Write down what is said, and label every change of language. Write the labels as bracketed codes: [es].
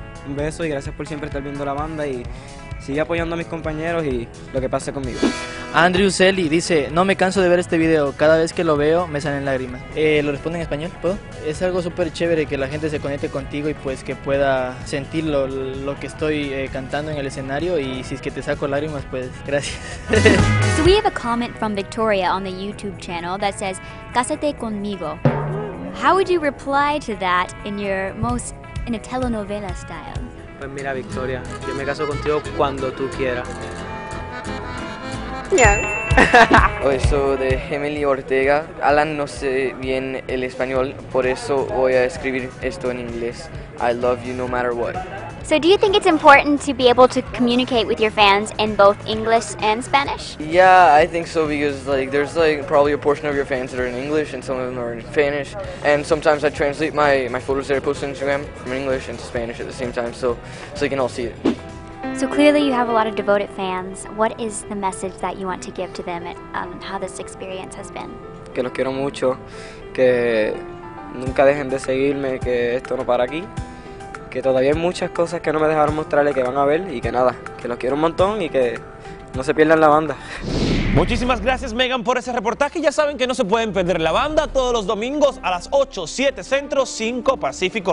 [es] Un beso y gracias por siempre estar viendo La Banda y sigue apoyando a mis compañeros y lo que pase conmigo. Andrew Selly dice, no me canso de ver este video, cada vez que lo veo me salen lágrimas. ¿Lo responde en español? ¿Puedo? Es algo súper chévere que la gente se conecte contigo y pues que pueda sentir lo que estoy cantando en el escenario y si es que te saco lágrimas, pues gracias. [en] So we have a comment from Victoria on the YouTube channel that says, [es] cásate conmigo. [en] How would you reply to that in your most... in a telenovela style. [es] Pues mira, Victoria, yo me caso contigo cuando tú quieras. Yeah. Eso de Emily Ortega. Alan no sé bien el español, por eso voy a escribir esto en inglés. [en] I love you no matter what. So do you think it's important to be able to communicate with your fans in both English and Spanish? Yeah, I think so, because like there's like probably a portion of your fans that are in English and some of them are in Spanish. And sometimes I translate my photos that I post on Instagram from English into Spanish at the same time, so you can all see it. So clearly you have a lot of devoted fans. What is the message that you want to give to them and how this experience has been? [es] Que los quiero mucho, que nunca dejen de seguirme, que esto no para aquí, que todavía hay muchas cosas que no me dejaron mostrarle que van a ver y que nada, que los quiero un montón y que no se pierdan la banda. Muchísimas gracias, Megan, por ese reportaje. Ya saben que no se pueden perder la banda todos los domingos a las 8, 7 Centro, 5 Pacífico.